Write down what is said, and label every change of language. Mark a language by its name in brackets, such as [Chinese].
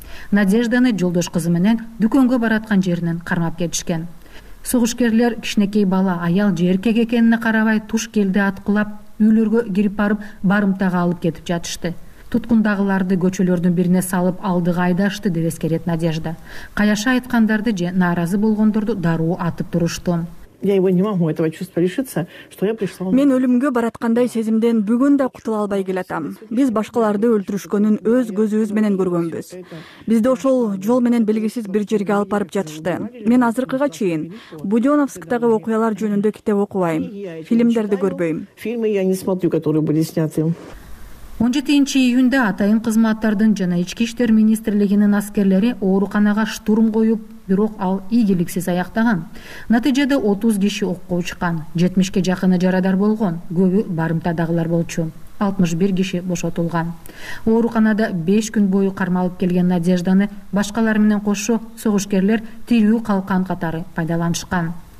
[Kyrgyz] Надежданы жолдош кызы менен дүкөнгө бараткан жеринен кармап кетишкен. Согушкерлер кичинекей бала, аял же эркек экенине карабай туш келди аткылап, үйлөргө кирип барып, барымтага алып кетип жатышты. Туткундагыларды көчөлөрдүн бирине салып алдыга айдашты, деп эскерет Надежда. Каяша айткандарды же нааразы болгондорду дароо атып турушту. [Russian] Я его не могу этого чувства лишиться, что я пришла. [Kyrgyz] Мен өлүмгө бараткандай сезимден бүгүн да кутула албай келатам. Биз башкаларды өлтүрүшкөнүн өз көзүбүз менен көргөнбүз. Бизди ошол жол менен белгисиз бир жерге алып барып жатышты. Мен азыркыга чейин Буденновскдагы окуялар жөнүндө китеп окубайм, фильмдерди көрбөйм. [Russian] Фильмы я не смотрю, которые были сняты. [Kyrgyz] 17 июнда атайын кызматтардын жана ички иштер министрлигинин аскерлери ооруканага штурм коюп, бирок ал ийгиликсиз аяктаган. Натыйжада 30 киши окко чыккан, 70ге жакыны жарадар болгон, көбү барымтадагылар болчу. 61 киши бошотулган. Ооруканада 5 күн бою кармалып келген Надежданы башкалар менен кошо согушкерлер тирүү калкан катары пайдаланышкан.